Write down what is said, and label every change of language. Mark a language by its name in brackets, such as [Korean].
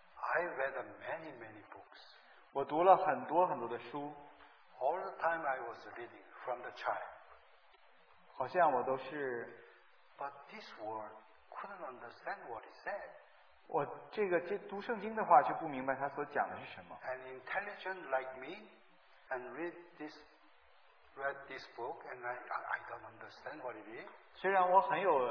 [English] I read many books. [Chinese] 我读了很多的书. [English] All the time I was reading from the child. [Chinese] 好像我都是, [English] but this word couldn't understand what it said. [Chinese] 我这个读圣经的话就不明白他所讲的是什么。 [English] An intelligent like me, and read this book, and I don't understand what it is.